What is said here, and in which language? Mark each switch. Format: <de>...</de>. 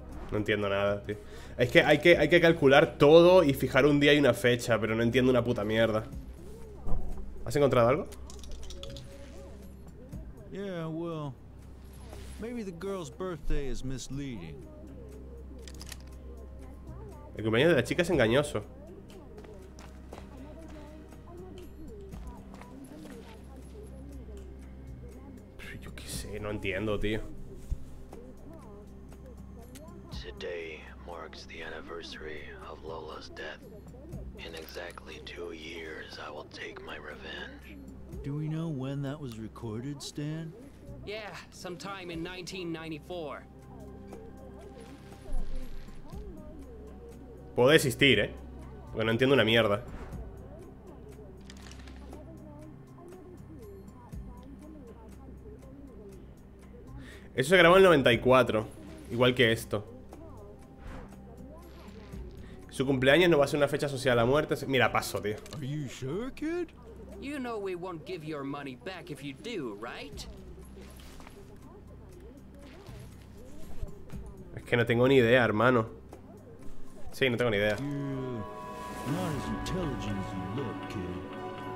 <es>No entiendo nada, tío. Es que hay que calcular todo y fijar un día y una fecha, pero no entiendo una puta mierda. ¿Has encontrado algo?</es> <en>Yeah, well, maybe the girl's birthday is misleading.</en> <es>El cumpleaños de la chica es engañoso. Pero yo qué sé, no entiendo, tío.</es> <en>Today more marks the anniversary of Lola's death. In exactly 2 years, I will take my revenge. Do we know when that was recorded, Stan? Yeah, sometime in 1994.</en> <es>Puedo desistir, porque no entiendo una mierda. Eso se grabó en el 94, igual que esto. Su cumpleaños no va a ser una fecha asociada a la muerte. Mira, paso, tío.</es> <en>Are you sure, kid? You know we won't give your money back if you do, right?</en> <es>Es que no tengo ni idea, hermano. Sí, no tengo ni idea.</es> <en>Not as intelligent as you look, kid.</en>